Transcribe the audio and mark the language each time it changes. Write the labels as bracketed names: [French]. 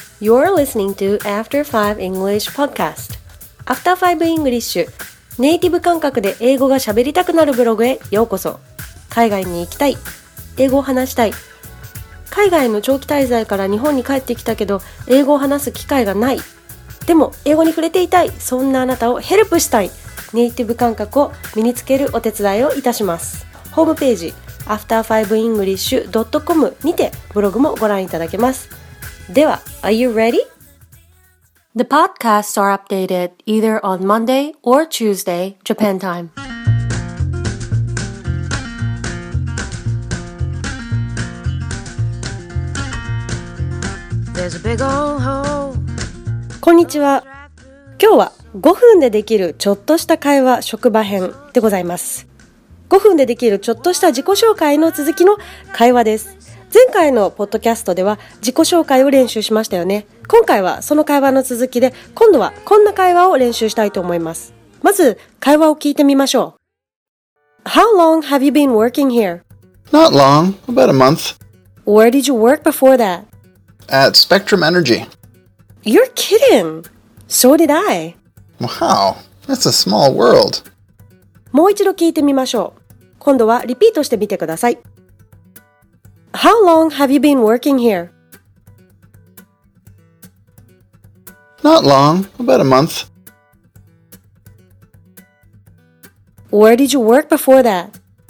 [English] You're listening to After 5 English Podcast. After 5 English. [Japanese] ネイティブ感覚で英語が喋りたくなるブログへようこそ。海外に行きたい。英語を話したい。海外の長期滞在から日本に帰ってきたけど、英語を話す機会がない。でも、英語に触れていたい。そんなあなたをヘルプしたい。ネイティブ感覚を身につけるお手伝いをいたします。ホームページ、after5english.com にてブログもご覧いただけます。 [English] では、Are you ready? The podcasts are updated either on Monday or Tuesday, Japan time. There's a big old hole. こんにちは。 [Japanese] 今日は5分でできるちょっとした会話職場編でございます。 5分でできるちょっとした自己紹介の続きの会話です。前回のポッドキャストでは自己紹介を練習しましたよね。今回はその会話の続きで、今度はこんな会話を練習したいと思います。まず会話を聞いてみましょう。 [English] How long have you been working here? Not long, about a month. Where did you work before that? At Spectrum Energy. You're kidding! So did I. Wow, that's a small world. [Japanese] もう一度聞いてみましょう。今度はリピートしてみてください。 [English] How long have you been working here? Not long, about a month. Where did you work before that?